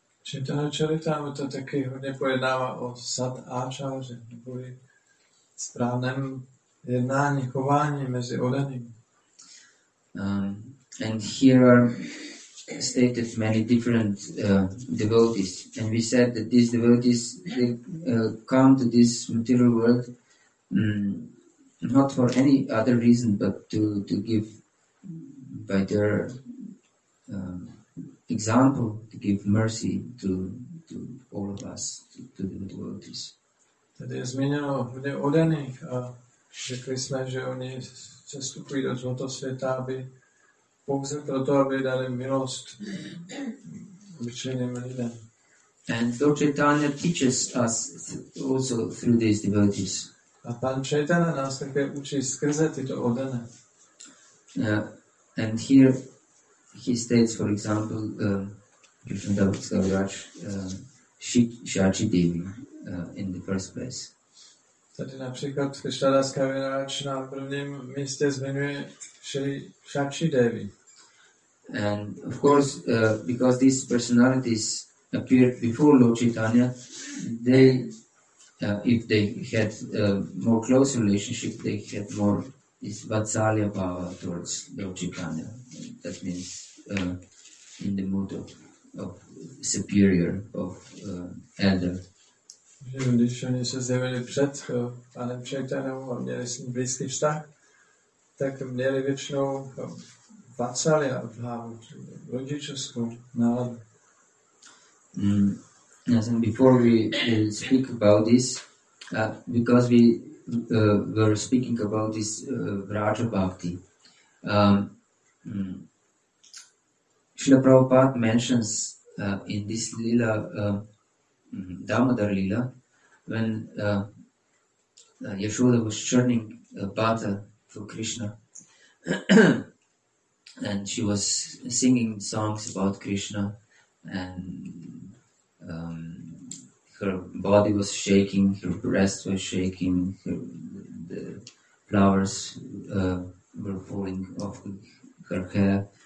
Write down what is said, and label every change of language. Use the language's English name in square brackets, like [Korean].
[Czech] Chaitanya Charitamrita taky hodně pojednává o sad ačáře, nebo je správném jednání, chování mezi oddanými. [English] And here are stated many different devotees, and we said that these devotees they come to this material world not for any other reason but to give by their example to give mercy to all of us to the devotees. [Czech] Tady je zmíněno hodně oddaných a řekli jsme, že oni přestupují do tohoto světa, aby pouze proto, aby dali milost obyčejným lidem. [English] And Lord Chaitanya teaches us also through these devotees. [Czech] A pan Chaitanya nás také učí skrze tyto oddané. [English] And here he states, for example, Krishna Dabhut Kaviraj, Shachi Devi in the first place. [Czech] Tady například Krishna Das Kaviraj na prvním místě zmiňuje Shachi Devi. [English] And of course, because these personalities appeared before Lord Chaitanya, they if they had more close relationship, they had more this vatsalya power towards Lord Chaitanya. That means in the mood of superior, of elder. [Czech] Když oni se zjevili před panem Chaitanyou a měli s ním blízký vztah, tak měli většinou vatsalya bhavu, rodičovskou náladu. [English] Yes, and before we speak about this, because we were speaking about this Raja Bhakti, Srila Prabhupada mentions in this Lila, Damodar Lila, when Yashoda was churning butter for Krishna, and she was singing songs about Krishna, and her body was shaking, her breast was shaking, the flowers were falling off her hair.